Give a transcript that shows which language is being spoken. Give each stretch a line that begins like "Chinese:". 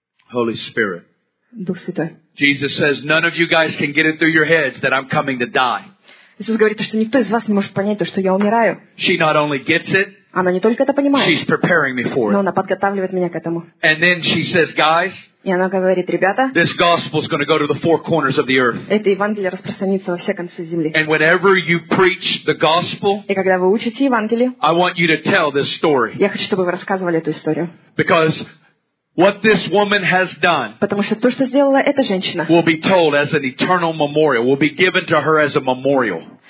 English: Holy Spirit.
Russian: Дух Святой.
English: Jesus says, none of you guys can get it through your heads that I'm coming to die.
Russian: Иисус говорит, что никто из вас не может понять то, что я умираю.
English: She not only gets it.
Russian: Она не только это понимает.
English: She's preparing me for it.
Russian: Но она подготавливает меня к этому.
English: And then she says, guys.
Russian: И она говорит, ребята.
English: This gospel is going to go to the four corners of the earth.
Russian: Это Евангелие распространится во все концы земли.
English: And whenever you preach the gospel.
Russian: И когда вы учите Евангелие.
English: I want you to tell this story.
Russian: Я хочу, чтобы вы рассказывали эту историю.
English: Because what this woman has done.
Russian: Потому что то, что сделала эта женщина.
English: Will be told as an eternal memorial. Will be given to her as a memorial.